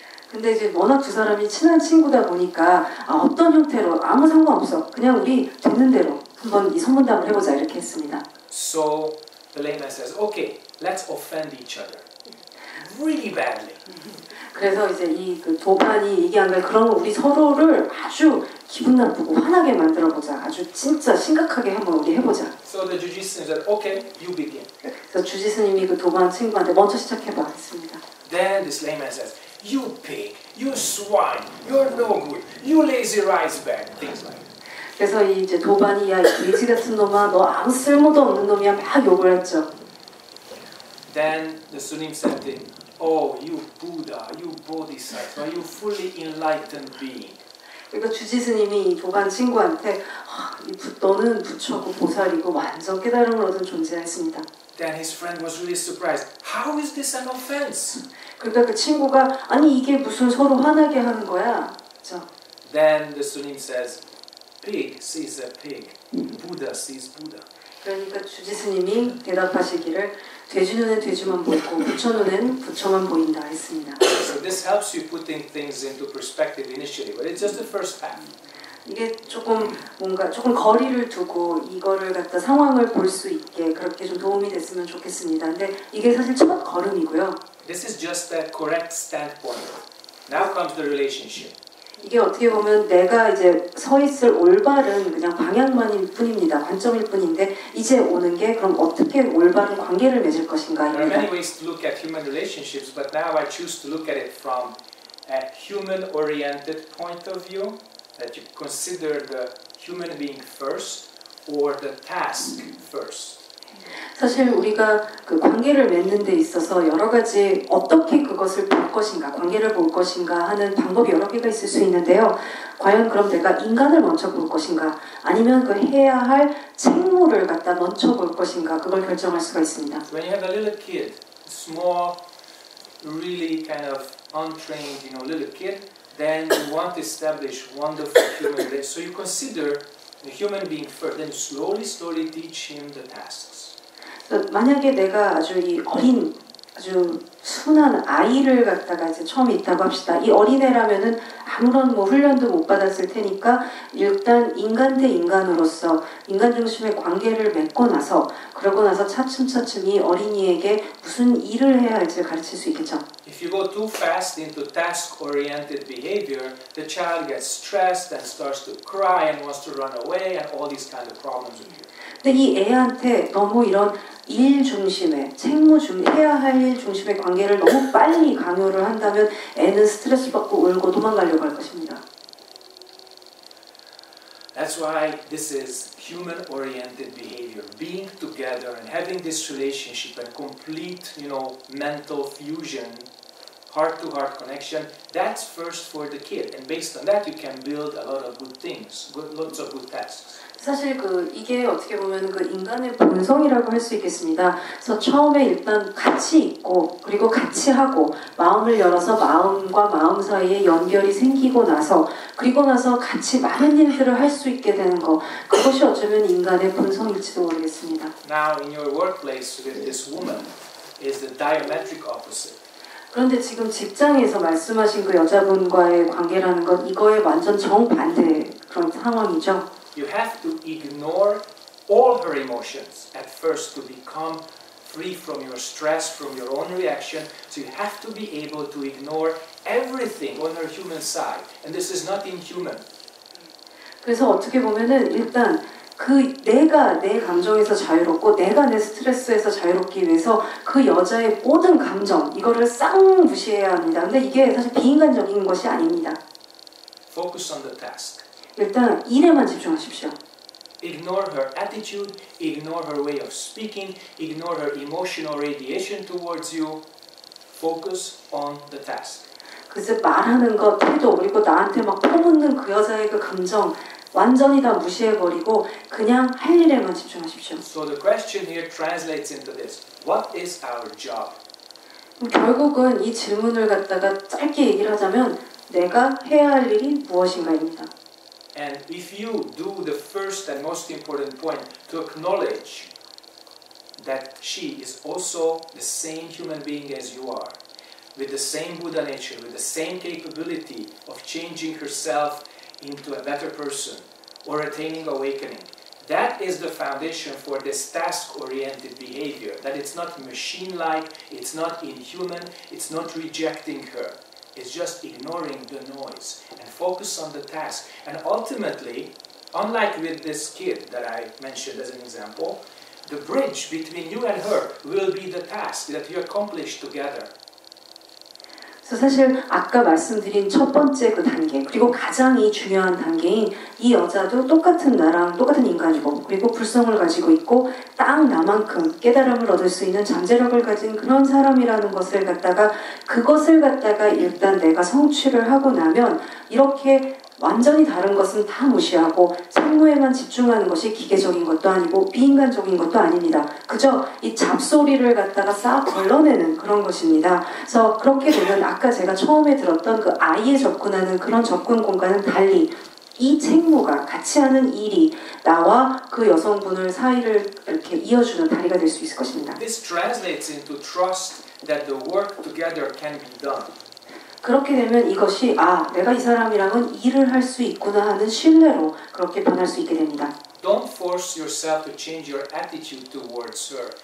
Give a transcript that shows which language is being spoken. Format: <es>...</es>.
<ko>근데 이제 워낙 두 사람이 친한 친구다 보니까 아, 어떤 형태로 아무 상관없어 그냥 우리 듣는 대로 한번 이 선문답을 해보자 이렇게 했습니다.</ko> <en>So the layman says, okay, let's offend each other really badly.</en> <ko>그래서 이제 이 그 도반이 얘기한 게 그럼 우리 서로를 아주 기분 나쁘고 화나게 만들어 보자. 아주 진짜 심각하게 한번 우리 해보자.</ko> <en>So the Jujitsu said, okay, you begin.</en> <ko>그래서 주지스님이 그 도반 친구한테 먼저 시작해봐 했습니다.</ko> <en>Then this layman says, you pig, you swine, you're no good, you lazy rice bag, things like that.</en> <ko>그래서 이제 도반이 야 돼지 같은 놈아 너 아무 쓸모도 없는 놈이야 막 욕을 했죠.</ko> <en>Then the Sunim said to him, oh you Buddha, you Bodhisattva, you fully enlightened being.</en> <ko>그러니까 주지 스님이 도반 친구한테 너는 부처고 보살이고 완전 깨달음을 얻은 존재였습니다.</ko> <en>Then his friend was really surprised. How is this an offense?</en> <ko>그러니까 그 친구가 아니 이게 무슨 서로 화나게 하는 거야. 그렇죠?</ko> <en>Then the Sunim says, pig sees a pig. Buddha sees Buddha.</en> <ko>그러니까 주지 스님이 대답하시기를 돼지 눈에 돼지만 보이고 부처 눈엔 부처만 보인다 했습니다.</ko> <en>So this helps you putting things into perspective initially, but it's just the first path.</en> <ko>이게 조금 뭔가 조금 거리를 두고 이거를 갖다 상황을 볼 수 있게 그렇게 좀 도움이 됐으면 좋겠습니다. 근데 이게 사실 첫 걸음이고요.</ko> <en>This is just the correct standpoint. Now comes the relationship.</en> <ko>이게 어떻게 보면 내가 이제 서 있을 올바른 그냥 방향만일 뿐입니다. 관점일 뿐인데 이제 오는 게 그럼 어떻게 올바른 관계를 맺을 것인가</ko> <en>There are many ways to look at human relationships, but now I choose to look at it from a human-oriented point of view, that you consider the human being first or the task first.</en> <ko>사실 우리가 그 관계를 맺는 데 있어서 여러 가지 어떻게 그것을 볼 것인가, 관계를 볼 것인가 하는 방법이 여러 개가 있을 수 있는데요. 과연 그럼 내가 인간을 먼저 볼 것인가, 아니면 그 해야 할 책무를 갖다 먼저 볼 것인가, 그걸 결정할 수가 있습니다.</ko> <en>When you have a little kid, small, really kind of untrained, you know, little kid, then you want to establish wonderful human relations. So you consider the human being first, then slowly, slowly teach him the tasks.</en> <ko>만약에 내가 아주 이 어린 아주 순한 아이를 갖다가 이제 처음 있다고 합시다. 이 어린애라면은 아무런 뭐 훈련도 못 받았을 테니까 일단 인간 대 인간으로서 인간 중심의 관계를 맺고 나서 그러고 나서 차츰차츰 이 어린이에게 무슨 일을 해야 할지 가르칠 수 있겠죠.</ko> <en>If you go too fast into task-oriented behavior, the child gets stressed and starts to cry and wants to run away and all these kind of problems with you.</en> <ko>근데 이 애한테 너무 이런 일 중심의 책무 중 해야 할 일 중심의 관계를 너무 빨리 강요를 한다면 애는 스트레스 받고 울고 도망가려고 할 것입니다.</ko> <en>That's why this is human-oriented behavior. Being together and having this relationship and complete, you know, mental fusion, heart-to-heart connection. That's first for the kid, and based on that, you can build a lot of good things, lots of good tasks.</en> <ko>사실 그 이게 어떻게 보면 그 인간의 본성이라고 할 수 있겠습니다. 그래서 처음에 일단 같이 있고 그리고 같이 하고 마음을 열어서 마음과 마음 사이에 연결이 생기고 나서 그리고 나서 같이 많은 일들을 할 수 있게 되는 거 그것이 어쩌면 인간의 본성일지도 모르겠습니다.</ko> <en>Now in your workplace with this woman is the diametric opposite.</en> <ko>그런데 지금 직장에서 말씀하신 그 여자분과의 관계라는 건 이거에 완전 정반대 그런 상황이죠.</ko> <en>You have to ignore all her emotions at first to become free from your stress, from your own reaction. So you have to be able to ignore everything on her human side. And this is not inhuman.</en> <ko>그래서 어떻게 보면은 일단 그 내가 내 감정에서 자유롭고 내가 내 스트레스에서 자유롭기 위해서 그 여자의 모든 감정 이거를 싹 무시해야 합니다. 근데 이게 사실 비인간적인 것이 아닙니다.</ko> <en>Focus on the task.</en> <ko>일단 일에만 집중하십시오.</ko> <en>Ignore her attitude, ignore her way of speaking, ignore her emotional radiation towards you. Focus on the task.</en> <ko>그래서 말하는 것, 태도, 그리고 나한테 막 퍼붓는 그 여자의 그 감정 완전히 다 무시해버리고 그냥 할 일에만 집중하십시오.</ko> <en>So the question here translates into this. What is our job?</en> <ko>결국은 이 질문을 갖다가 짧게 얘기를 하자면 내가 해야 할 일이 무엇인가입니다.</ko> <en>And if you do the first and most important point to acknowledge that she is also the same human being as you are, with the same Buddha nature, with the same capability of changing herself into a better person or attaining awakening. That is the foundation for this task-oriented behavior, that it's not machine-like, it's not inhuman, it's not rejecting her. It's just ignoring the noise and focus on the task. And ultimately, unlike with this kid that I mentioned as an example, the bridge between you and her will be the task that you accomplish together.</en> <ko>그래서 사실 아까 말씀드린 첫 번째 그 단계 그리고 가장 이 중요한 단계인 이 여자도 똑같은 나랑 똑같은 인간이고 그리고 불성을 가지고 있고 딱 나만큼 깨달음을 얻을 수 있는 잠재력을 가진 그런 사람이라는 것을 갖다가 그것을 갖다가 일단 내가 성취를 하고 나면 이렇게 완전히 다른 것은 다 무시하고 상무에만 집중하는 것이 기계적인 것도 아니고 비인간적인 것도 아닙니다. 그저 이 잡소리를 갖다가 싹 걸러내는 그런 것입니다. 그래서 그렇게 되면 아까 제가 처음에 들었던 그 아이에 접근하는 그런 접근 공간은 달리 이 책무가 같이 하는 일이 나와 그 여성분을 사이를 이렇게 이어주는 다리가 될 수 있을 것입니다.</ko> <en>This translates into trust that the work together can be done.</en> <ko>그렇게 되면 이것이 아 내가 이 사람이랑은 일을 할 수 있구나 하는 신뢰로 그렇게 변할 수 있게 됩니다.</ko> <en>Don't force yourself to change your attitude towards her.</en>